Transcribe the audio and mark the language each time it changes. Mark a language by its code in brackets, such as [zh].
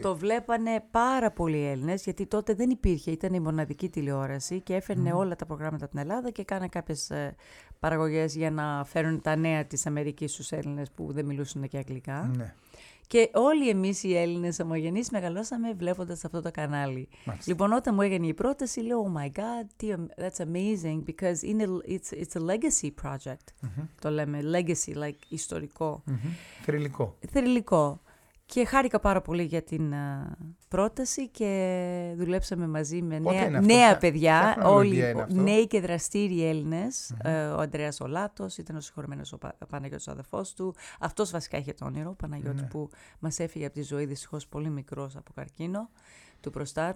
[el] Το βλέπανε πάρα πολλοί Έλληνες, γιατί τότε δεν υπήρχε, ήταν η μοναδική τηλεόραση και έφερνε όλα τα προγράμματα από την Ελλάδα και κάνανε κάποιες παραγωγές για να φέρουν τα νέα της Αμερικής στους Έλληνες που δεν μιλούσαν και αγγλικά. Ναι. Και όλοι εμείς οι Έλληνες ομογενείς μεγαλώσαμε βλέποντας αυτό το κανάλι. Μάλιστα. Λοιπόν, όταν μου έγινε η πρόταση, λέω, [en] oh my god, that's amazing, because it's a legacy project, [el] το λέμε, [en] legacy, like ιστορικό. [el] Mm-hmm. Θρυλικό. Θρυλικό. Και χάρηκα πάρα πολύ για την πρόταση και δουλέψαμε μαζί με νέα παιδιά, όλοι νέοι και δραστήριοι Έλληνες. Mm-hmm. Ο Ανδρέας Ολάτος ήταν ο συγχωρεμένος ο Παναγιώτης, ο αδερφός του. Αυτός βασικά είχε το όνειρο, ο Παναγιώτης, mm-hmm, που μας έφυγε από τη ζωή δυστυχώς πολύ μικρός από καρκίνο του προστάτη.